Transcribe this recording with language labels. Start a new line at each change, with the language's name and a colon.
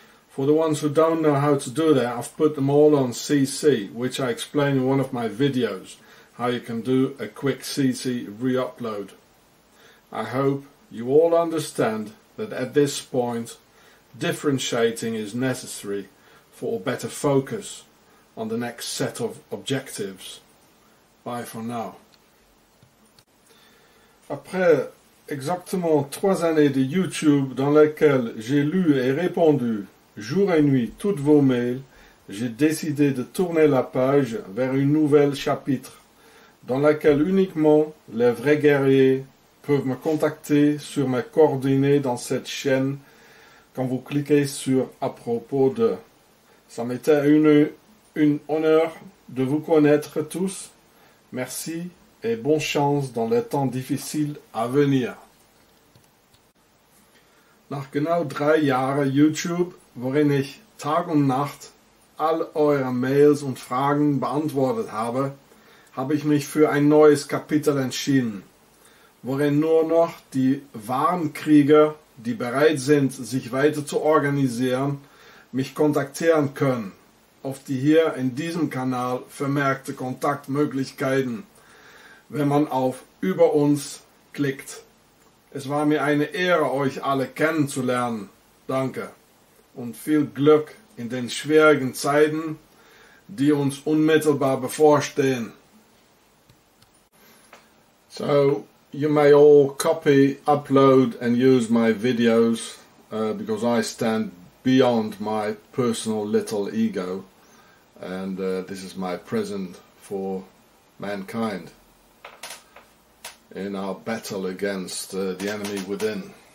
English: For the ones who don't know how to do that, I've put them all on CC, which I explain in one of my videos, how you can do a quick CC re-upload. I hope you all understand that at this point, differentiating is necessary for a better focus on the next set of objectives. Bye for now.
French: Après exactement 3 années de YouTube dans lesquelles j'ai lu et répondu jour et nuit toutes vos mails, j'ai décidé de tourner la page vers une nouvelle chapitre dans laquelle uniquement les vrais guerriers peuvent me contacter sur mes coordonnées dans cette chaîne quand vous cliquez sur à propos de. Ça m'était une honneur de vous connaître tous. Merci et bonne chance dans les temps difficiles à venir.
German: Nach genau 3 Jahre YouTube, worin ich Tag und Nacht all eure Mails und Fragen beantwortet habe, habe ich mich für ein neues Kapitel entschieden, worin nur noch die wahren Krieger, die bereit sind, sich weiter zu organisieren, mich kontaktieren können, auf die hier in diesem Kanal vermerkte Kontaktmöglichkeiten, wenn man auf Über uns klickt. Es war mir eine Ehre, euch alle kennenzulernen. Danke und viel Glück in den schwierigen Zeiten, die uns unmittelbar bevorstehen.
English: So, you may all copy, upload and use my videos, because I stand beyond my personal little ego. And this is my present for mankind in our battle against the enemy within.